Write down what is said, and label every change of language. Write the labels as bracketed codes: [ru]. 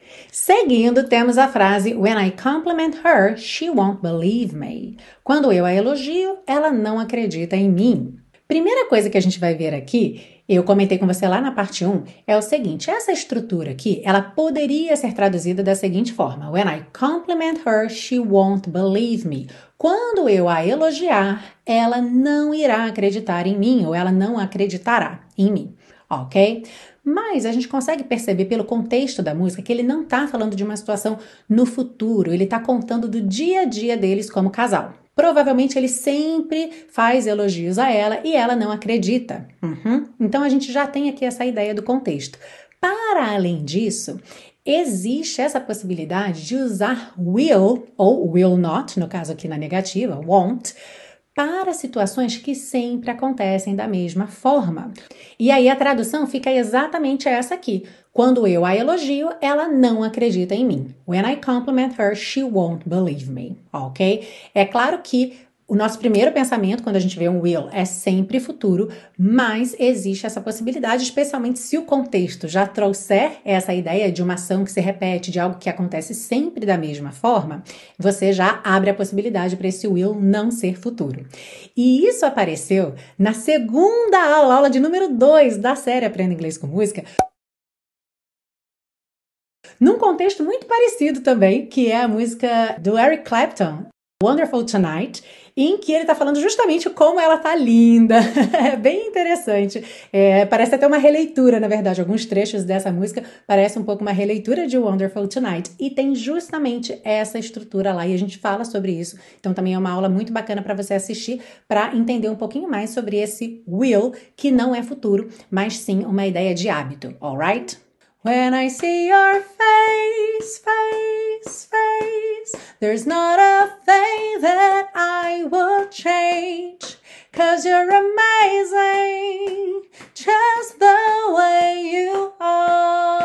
[pt] Seguindo, temos a frase [en] When I compliment her, she won't believe me. [pt] Quando eu a elogio, ela não acredita em mim. Primeira coisa que a gente vai ver aqui, eu comentei com você lá na parte 1, é o seguinte, essa estrutura aqui, ela poderia ser traduzida da seguinte forma, [en] When I compliment her, she won't believe me. [pt] Quando eu a elogiar, ela não irá acreditar em mim, ou ela não acreditará em mim, ok? Mas a gente consegue perceber pelo contexto da música que ele não está falando de uma situação no futuro, ele está contando do dia a dia deles como casal. Provavelmente ele sempre faz elogios a ela e ela não acredita. Uhum. Então a gente já tem aqui essa ideia do contexto. Para além disso, existe essa possibilidade de usar will ou will not, no caso aqui na negativa, won't, para situações que sempre acontecem da mesma forma. E aí a tradução fica exatamente essa aqui. Quando eu a elogio, ela não acredita em mim. [en] When I compliment her, she won't believe me. Ok? [pt] É claro que o nosso primeiro pensamento, quando a gente vê um will, é sempre futuro, mas existe essa possibilidade, especialmente se o contexto já trouxer essa ideia de uma ação que se repete, de algo que acontece sempre da mesma forma, você já abre a possibilidade para esse will não ser futuro. E isso apareceu na segunda aula, aula de número 2 da série Aprenda Inglês com Música, num contexto muito parecido também, que é a música do Eric Clapton, Wonderful Tonight, em que ele tá falando justamente como ela tá linda. É bem interessante. É, parece até uma releitura, na verdade. Alguns trechos dessa música parecem um pouco uma releitura de Wonderful Tonight. E tem justamente essa estrutura lá. E a gente fala sobre isso. Então também é uma aula muito bacana para você assistir para entender um pouquinho mais sobre esse will, que não é futuro, mas sim uma ideia de hábito. [en] Alright? When I see your face, face, face, there's not a thing that I will change. 'Cause you're amazing, just the way you are.